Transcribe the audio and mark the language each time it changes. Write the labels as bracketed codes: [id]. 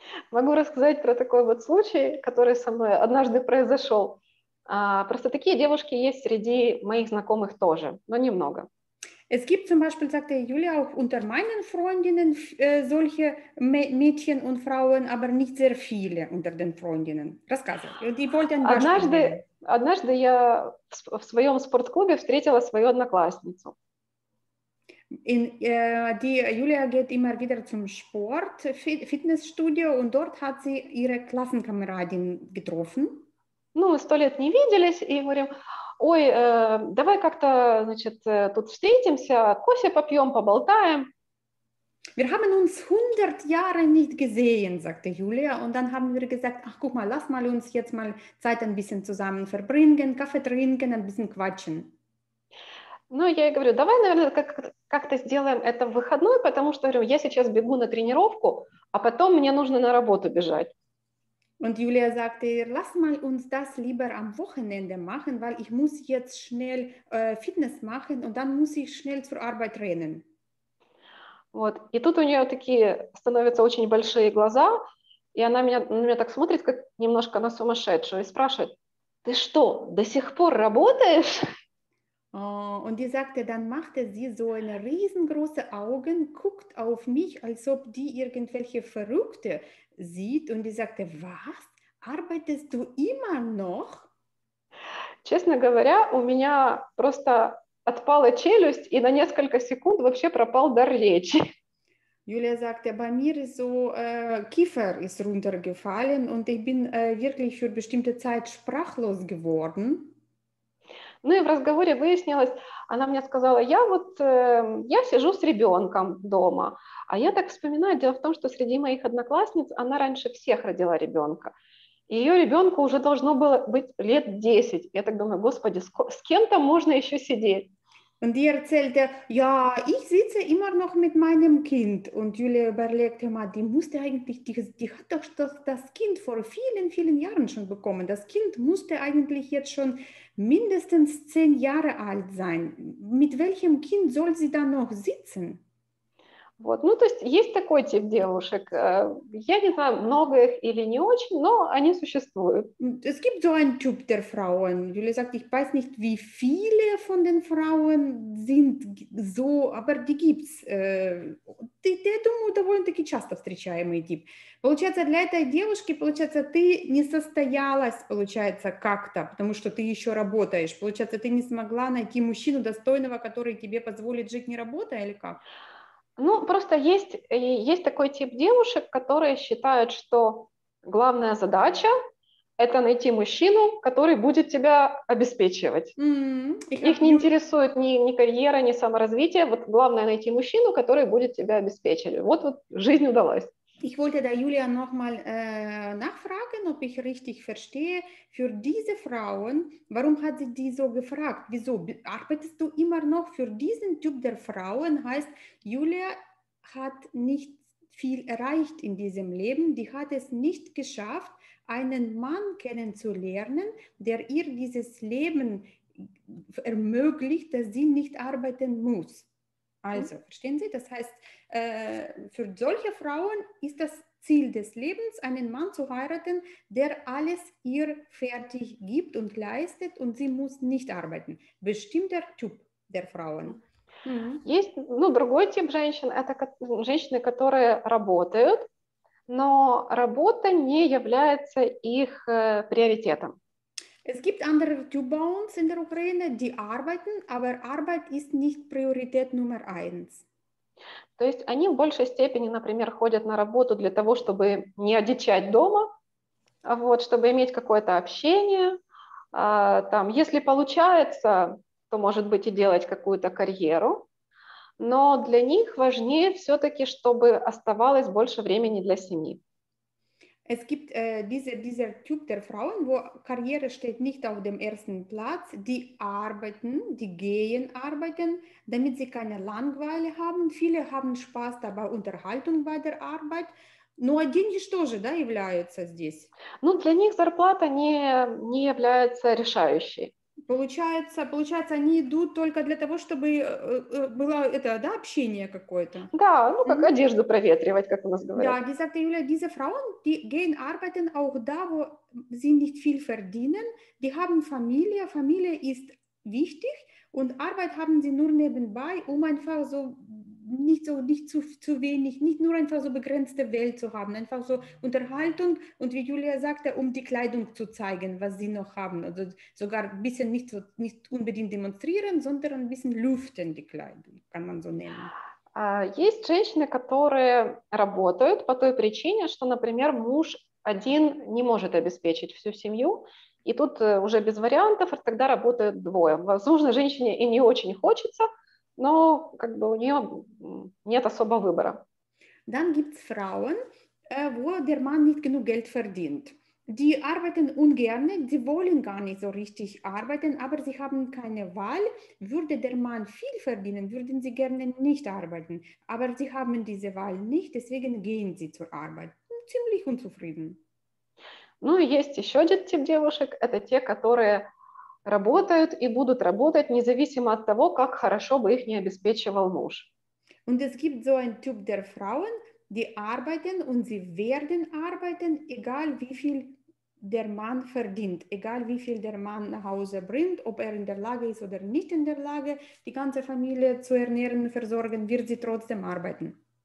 [ru] Могу рассказать про такой вот случай, который со мной однажды произошел. Просто такие девушки есть среди моих знакомых тоже, но немного. [de] Es gibt zum Beispiel, sagte Julia, auch unter meinen Freundinnen solche Mädchen und Frauen, aber nicht sehr viele unter den Freundinnen. [ru] Рассказывай. Однажды я в своем спортклубе встретила свою одноклассницу. [de] Julia geht immer wieder zum Sport, Fitnessstudio, und dort hat sie ihre Klassenkameradin getroffen. [ru] Ну, мы 100 лет не виделись, и говорим, ой, давай как-то, значит, тут встретимся, кофе попьем, поболтаем. [de] Wir haben uns 100 Jahre nicht gesehen, sagte Julia, und dann haben wir gesagt, ach, guck mal, lass mal uns jetzt mal Zeit ein bisschen zusammen verbringen, Kaffee trinken, ein bisschen quatschen. [ru] Ну, я ей говорю, давай, наверное, как-то сделаем это в выходной, потому что, говорю, я сейчас бегу на тренировку, а потом мне нужно на работу бежать. [de] Und Julia sagte, lass mal uns das lieber am Wochenende machen, weil ich muss jetzt schnell Fitness machen und dann muss ich schnell zur Arbeit rennen. [ru] Вот. И тут у нее такие становятся очень большие глаза, и она на меня так смотрит, как немножко на сумасшедшую, и спрашивает, ты что, до сих пор работаешь? [de] Und die sagte, dann machte sie so eine riesengroße Augen, guckt auf mich, als ob die irgendwelche Verrückte sieht, und die sagte, was, arbeitest du immer noch? [ru] Честно говоря, у меня просто отпала челюсть, и на несколько секунд вообще пропал дар речи. [de] Julia sagte, bei mir ist so Kiefer ist runtergefallen, und ich bin wirklich für bestimmte Zeit sprachlos geworden. [ru] Ну и в разговоре выяснилось, она мне сказала, я сижу с ребенком дома, а я так вспоминаю, дело в том, что среди моих одноклассниц она раньше всех родила ребенка, и ее ребенку уже должно было быть лет 10, я так думаю, господи, с кем-то можно еще сидеть. [de] Und die erzählte, ja, ich sitze immer noch mit meinem Kind. Und Julia überlegte mal, die musste eigentlich, die hat doch das Kind vor vielen, vielen Jahren schon bekommen. Das Kind musste eigentlich jetzt schon mindestens 10 Jahre alt sein. Mit welchem Kind soll sie dann noch sitzen? [ru] Вот, ну, то есть, есть такой тип девушек. Я не знаю, много их или не очень, но они существуют. [de] Es gibt so einen Typ der Frauen. Julia sagt, ich weiß nicht, wie viele von den Frauen sind so, aber die gibt's. [ru] я думаю, довольно-таки часто встречаемый тип. Получается, для этой девушки, получается, ты не состоялась, получается, как-то, потому что ты еще работаешь. Получается, ты не смогла найти мужчину достойного, который тебе позволит жить не работая, или как? Ну, просто есть такой тип девушек, которые считают, что главная задача – это найти мужчину, который будет тебя обеспечивать. Их не интересует ни карьера, ни саморазвитие. Вот главное – найти мужчину, который будет тебя обеспечивать. Вот жизнь удалась. [de] Ich wollte da Julia nochmal nachfragen, ob ich richtig verstehe, für diese Frauen, warum hat sie die so gefragt? Wieso arbeitest du immer noch für diesen Typ der Frauen? Heißt, Julia hat nicht viel erreicht in diesem Leben, die hat es nicht geschafft, einen Mann kennenzulernen, der ihr dieses Leben ermöglicht, dass sie nicht arbeiten muss. Also, verstehen Sie? Das heißt, für solche Frauen ist das Ziel des Lebens, einen Mann zu heiraten, der alles ihr fertig gibt und leistet und sie muss nicht arbeiten. Bestimmter Typ der Frauen. [ru] Есть, ну, другой тип женщин, это женщины, которые работают, но работа не является их приоритетом. [de] Es gibt andere Typen bei uns in der Ukraine, die arbeiten, aber Arbeit ist nicht Priorität Nummer eins. [ru] То есть они в большей степени, например, ходят на работу для того, чтобы не одичать дома, вот, чтобы иметь какое-то общение. Там, если получается, то, может быть, и делать какую-то карьеру. Но для них важнее все-таки, чтобы оставалось больше времени для семьи. [de] Es gibt dieser Typ der Frauen, wo Karriere steht nicht auf dem ersten Platz, die arbeiten, die gehen arbeiten, damit sie keine Langeweile haben. Viele haben Spaß dabei, Unterhaltung bei der Arbeit. [ru] Ну, а деньги что же, да, являются здесь? Ну, для них зарплата не является решающей. Получается, они идут только для того, чтобы было это, да, общение какое-то. Да, ну как одежду проветривать, как у нас говорят. [de] Да, wie sagt Julia, diese Frauen, die gehen arbeiten auch da, wo sie nicht viel verdienen. Die haben Familie, Familie ist wichtig und Arbeit haben sie nur nebenbei, um einfach nicht zu wenig, nicht nur einfach so begrenzte Welt zu haben, einfach so Unterhaltung und wie Julia sagte, um die Kleidung zu zeigen, was sie noch haben, also sogar ein bisschen nicht so, nicht unbedingt demonstrieren, sondern ein bisschen lüften die Kleidung, kann man so nennen. [ru] Есть женщины, которые работают по той причине, что, например, муж один не может обеспечить всю семью, и тут уже без вариантов, тогда работают двое. Возможно, женщине и не очень хочется, но как бы у нее нет особого выбора. [de] Dann gibt's Frauen, wo der Mann nicht genug Geld verdient. Die arbeiten ungern, sie wollen gar nicht so richtig arbeiten, aber sie haben keine Wahl. Würde der Mann viel verdienen, würden sie gerne nicht arbeiten. Aber sie haben diese Wahl nicht, deswegen gehen sie zur Arbeit. Ziemlich unzufrieden. [ru] Ну, есть еще один тип девушек, это те, которые работают и будут работать, независимо от того, как хорошо бы их не обеспечивал муж. [de] Und es gibt so einen Typ der Frauen, die arbeiten und sie werden arbeiten, egal wie viel der Mann verdient, egal wie viel der Mann nach Hause bringt, ob in der Lage ist oder nicht in der Lage, die ganze Familie zu ernähren, versorgen, wird sie trotzdem arbeiten.